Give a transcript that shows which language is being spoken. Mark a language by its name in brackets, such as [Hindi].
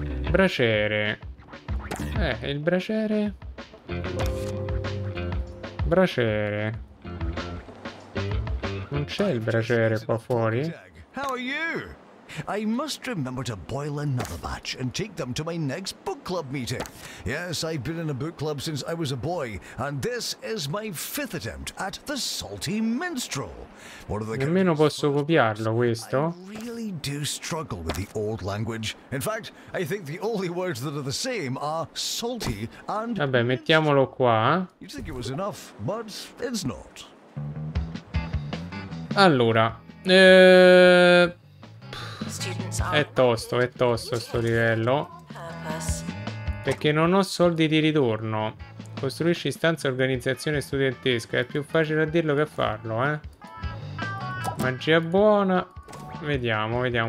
[Italian] Braciere. Il braciere. Braciere. Non c'è il braciere qua fuori? [English] How are you? I must remember to boil another batch and take them to my next book club meeting. Yes, I've been in a book club since I was a boy, and this is my fifth attempt at the Salty Minstrel. [Italian] Nemmeno posso copiarlo questo. [English] I really do struggle with the old language. In fact, I think the only words that are the same are salty and... [Italian] Vabbè, mettiamolo qua. [English] You think it was enough, but it's not. [Italian] Allora, È tosto sto livello. Perché non ho soldi di ritorno. Costruisci stanza organizzazione studentesca. È più facile a dirlo che a farlo, Magia buona. Vediamo.